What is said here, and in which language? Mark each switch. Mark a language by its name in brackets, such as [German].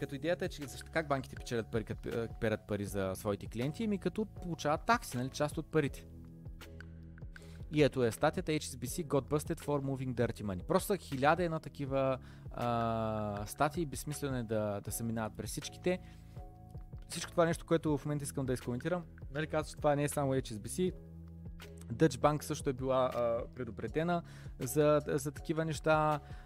[Bulgarian] Като идеята е, че защо, как банките печелят пари, като перат пари за своите клиенти, ми като получават такси, нали, част от парите. И ето е статията [English] HSBC got busted for moving dirty money. [Bulgarian] Просто 1001 такива статии, безсмислено е да се минават през всичките. Всичко това нещо, което в момента искам да изкоментирам, нали, казва, че това не е само HSBC. Deutsche Bank също е била предупредена за такива неща.